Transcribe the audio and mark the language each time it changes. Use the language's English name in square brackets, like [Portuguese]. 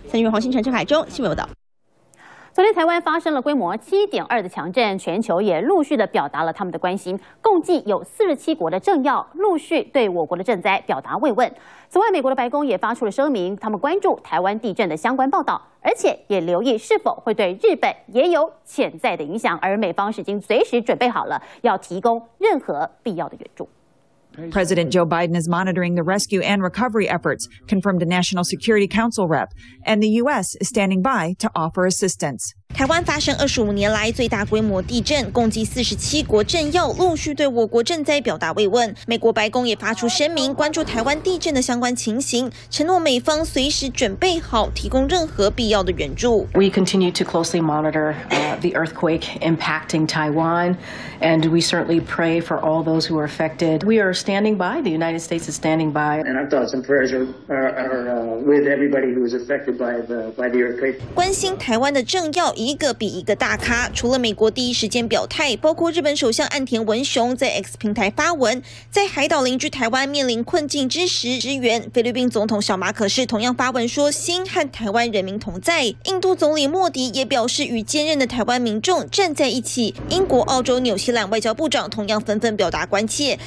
[Chinese] 三月黄星辰、郑海中新闻报道。昨天台湾发生了规模7.2的强震，全球也陆续的表达了他们的关心，共计有47国的政要陆续对我国的震灾表达慰问。此外，美国的白宫也发出了声明，他们关注台湾地震的相关报道，而且也留意是否会对日本也有潜在的影响，而美方是已经随时准备好了要提供任何必要的援助。 [English] President Joe Biden is monitoring the rescue and recovery efforts, confirmed a National Security Council rep, and the U.S. is standing by to offer assistance. [Chinese] 台湾发生25年来最大规模地震，共计47国政要陆续对我国赈灾表达慰问。美国白宫也发出声明，关注台湾地震的相关情形，承诺美方随时准备好提供任何必要的援助。 [English] We continue to closely monitor the earthquake impacting Taiwan, and we certainly pray for all those who are affected. We are standing by. The United States is standing by. And our thoughts and prayers are with everybody who is affected by the earthquake. [Chinese] 关心台湾的政要。一个比一个大咖，除了美国第一时间表态，包括日本首相岸田文雄在 X 平台发文，在海岛邻居台湾面临困境之时支援，菲律宾总统小马可是同样发文说心和台湾人民同在，印度总理莫迪也表示与坚韧的台湾民众站在一起，英国、澳洲、纽西兰外交部长同样纷纷表达关切。